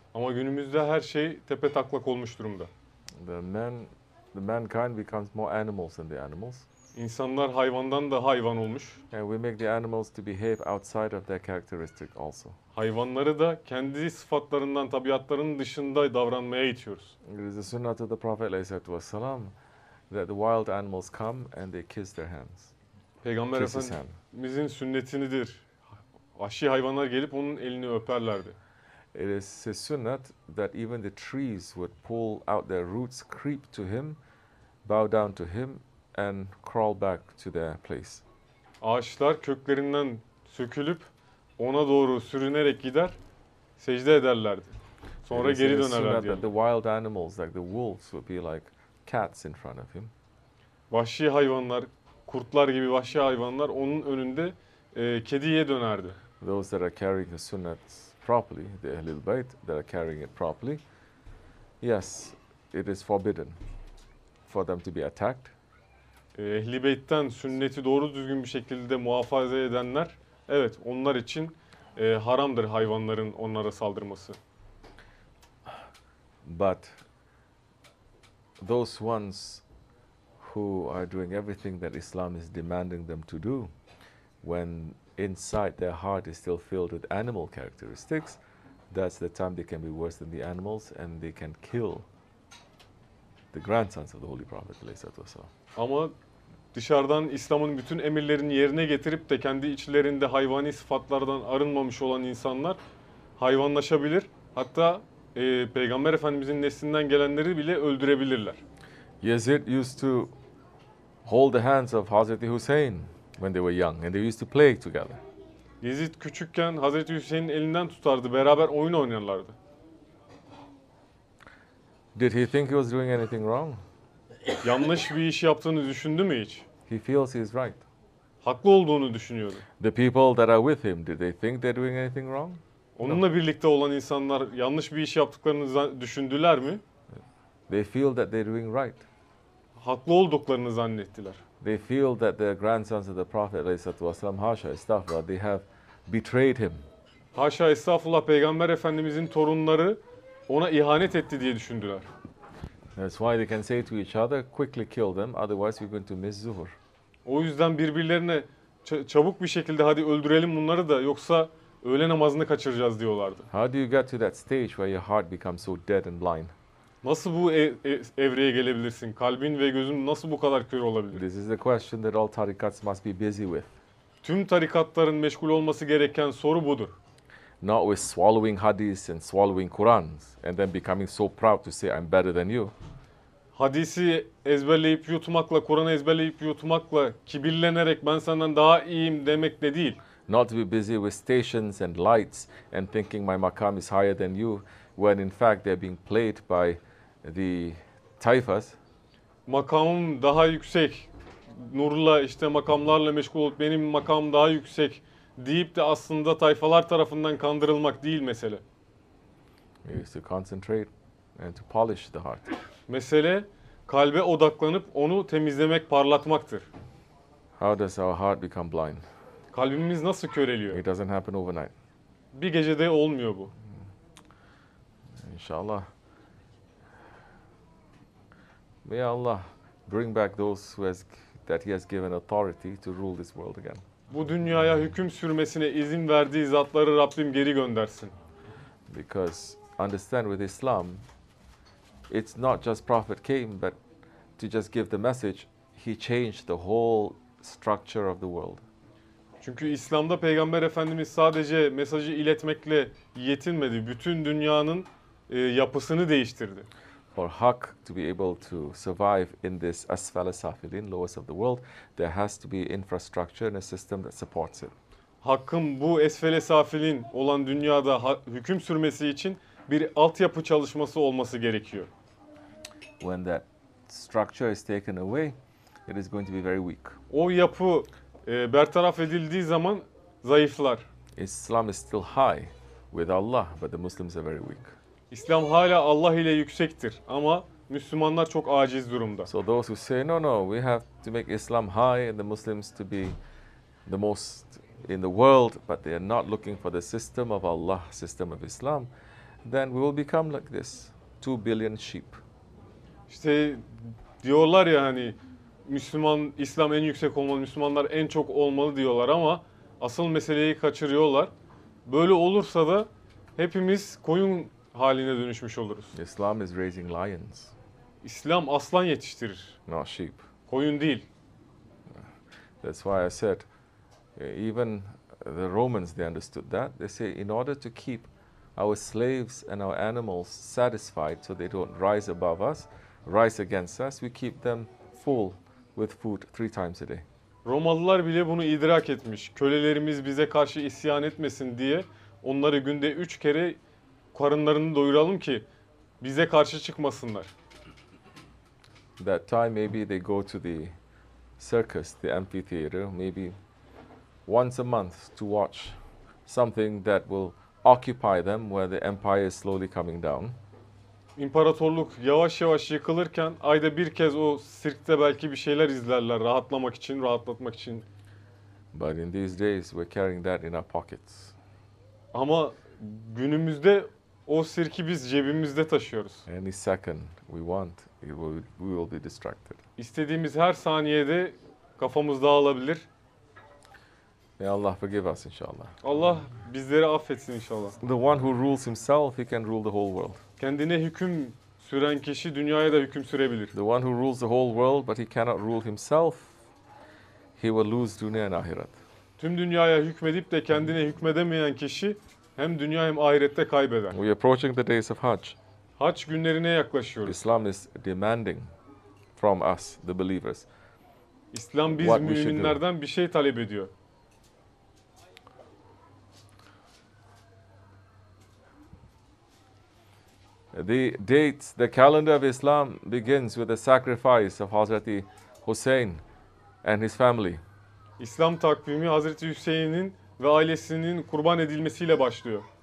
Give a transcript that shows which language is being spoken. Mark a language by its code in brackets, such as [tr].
[tr] Ama günümüzde her şey tepe taklak olmuş durumda. [en] The mankind becomes more animals than the animals. [tr] İnsanlar hayvandan da hayvan olmuş. [en] And we make the animals to behave outside of their characteristic also. [tr] Hayvanları da kendi sıfatlarından, tabiatlarının dışında davranmaya itiyoruz. [en] It is the sunnah of the Prophet Aleyhisselatü Vesselam that the wild animals come and they kiss their hands. [tr] Peygamber Efendimizin sünnetidir. Vahşi hayvanlar gelip onun elini öperlerdi. [en] It is his sunnah that even the trees would pull out their roots, creep to him, bow down to him and crawl back to their place. [tr] Ağaçlar köklerinden sökülüp ona doğru sürünerek gider, secde ederlerdi. Sonra geri dönerlerdi. [en] It is his sunnah that the wild animals like the wolves would be like cats in front of him. [tr] Vahşi hayvanlar, kurtlar gibi vahşi hayvanlar onun önünde kediye dönerdi. [en] Those that are carrying the sunnah properly, the Ehlul Bayt that are carrying it properly, yes, it is forbidden for them to be attacked. [tr] Ehl-i Beyt'ten sünneti doğru düzgün bir şekilde muhafaza edenler, evet, onlar için haramdır hayvanların onlara saldırması. [en] But those ones who are doing everything that Islam is demanding them to do, when inside their heart is still filled with animal characteristics, that's the time they can be worse than the animals and they can kill the grandsons of the Holy Prophet Aleyhisselatü Vesselam. [tr] Ama dışarıdan İslam'ın bütün emirlerini yerine getirip de kendi içlerinde hayvani sıfatlardan arınmamış olan insanlar hayvanlaşabilir. Hatta Peygamber Efendimizin neslinden gelenleri bile öldürebilirler. [en] Yazid used to hold the hands of Hazreti Hüseyin when they were young and they used to play together. [tr] Yazid küçükken Hazreti Hüseyin'in elinden tutardı, beraber oyun oynarlardı. [en] Did he think he was doing anything wrong? [tr] Yanlış bir iş yaptığını düşündü mü hiç? [en] He feels he is right. [tr] Haklı olduğunu düşünüyordu. [en] The people that are with him, did they think they're doing anything wrong? [tr] Onunla birlikte olan insanlar yanlış bir iş yaptıklarını düşündüler mi? [en] They feel that they're doing right. [tr] Haklı olduklarını zannettiler. [en] They feel that the grandsons of the Prophet Aleyhisselatü Vesselam, [tr] haşa estağfurullah, [en] they have betrayed him. [tr] Haşa estağfurullah, Peygamber Efendimizin torunları ona ihanet etti diye düşündüler. [en] That's why they can say to each other, quickly kill them, otherwise we're going to miss zuhur. [tr] O yüzden birbirlerine çabuk bir şekilde hadi öldürelim bunları da, yoksa öğle namazını kaçıracağız diyorlardı. [en] How do you get to that stage where your heart becomes so dead and blind? [tr] Nasıl bu evreye gelebilirsin? Kalbin ve gözün nasıl bu kadar kör olabilir? [en] This is the question that all tarikats must be busy with. [tr] Tüm tarikatların meşgul olması gereken soru budur. [en] Not with swallowing hadis and swallowing Qurans and then becoming so proud to say I'm better than you. [tr] Hadisi ezberleyip yutmakla, Kur'an'ı ezberleyip yutmakla, kibirlenerek ben senden daha iyiyim demekle değil. [en] Not to be busy with stations and lights and thinking my makam is higher than you, when in fact they're being played by the taifas. [tr] Makamım daha yüksek, nurla işte makamlarla meşgul olup benim makamım daha yüksek deyip de aslında tayfalar tarafından kandırılmak değil mesele. [en] It is to concentrate and to polish the heart. [tr] Mesele kalbe odaklanıp onu temizlemek, parlatmaktır. [en] How does our heart become blind? [tr] Kalbimiz nasıl köreliyor? [en] It doesn't happen overnight. [tr] Bir gecede olmuyor bu. İnşallah. [en] May Allah bring back those who has, that he has given authority to rule this world again. [tr] Bu dünyaya hüküm sürmesine izin verdiği zatları Rabbim geri göndersin. [en] Because understand with Islam, it's not just Prophet came, but to just give the message, he changed the whole structure of the world. [tr] Çünkü İslam'da Peygamber Efendimiz sadece mesajı iletmekle yetinmedi. Bütün dünyanın yapısını değiştirdi. [en] For Haq to be able to survive in this asfal-i safilin, lowest of the world, there has to be infrastructure and a system that supports it. [tr] Hakkın bu esfele safilin olan dünyada hüküm sürmesi için bir altyapı çalışması olması gerekiyor. [en] When that structure is taken away, it is going to be very weak. [tr] O yapı bertaraf edildiği zaman zayıflar. [en] Islam is still high with Allah, but the Muslims are very weak. [tr] İslam hala Allah ile yüksektir ama Müslümanlar çok aciz durumda. [en] So those who say no, we have to make Islam high and the Muslims to be the most in the world, but they are not looking for the system of Allah, system of Islam, then we will become like this, 2 billion sheep. [tr] İşte diyorlar ya hani Müslüman, İslam en yüksek olmalı, Müslümanlar en çok olmalı diyorlar ama asıl meseleyi kaçırıyorlar. Böyle olursa da hepimiz koyun haline dönüşmüş oluruz. [en] Islam is raising lions. [tr] İslam aslan yetiştirir. [en] Not sheep. [tr] Koyun değil. [en] That's why I said, even the Romans, they understood that. They say, in order to keep our slaves and our animals satisfied so they don't rise above us, rise against us, we keep them full with food 3 times a day. [tr] Romalılar bile bunu idrak etmiş. Kölelerimiz bize karşı isyan etmesin diye onları günde 3 kere karınlarını doyuralım ki bize karşı çıkmasınlar. [en] That time maybe they go to the circus, the amphitheater, maybe once a month to watch something that will occupy them where the empire is slowly coming down. [tr] İmparatorluk yavaş yavaş yıkılırken ayda bir kez o sirkte belki bir şeyler izlerler rahatlamak için, rahatlatmak için. [en] But in these days we're carrying that in our pockets. [tr] Ama günümüzde o sirki biz cebimizde taşıyoruz. [en] Any second we want, we will be distracted. [tr] İstediğimiz her saniyede kafamız dağılabilir. [en] May Allah forgive us inşallah. [tr] Allah bizleri affetsin inşallah. [en] The one who rules himself, he can rule the whole world. [tr] Kendine hüküm süren kişi dünyaya da hüküm sürebilir. [en] The one who rules the whole world but he cannot rule himself, he will lose dunya and ahiret. [tr] Tüm dünyaya hükmedip de kendine hükmedemeyen kişi hem dünya hem ahirette kaybeder. [en] We are approaching the days of Hajj. [tr] Hac günlerine yaklaşıyoruz. [en] Islam is demanding from us, the believers. [tr] İslam biz müminlerden bir şey talep ediyor. [en] The dates, the calendar of Islam begins with the sacrifice of Hazreti Hussein and his family. [tr] İslam takvimi Hazreti Hüseyin'in ve ailesinin kurban edilmesiyle başlıyor.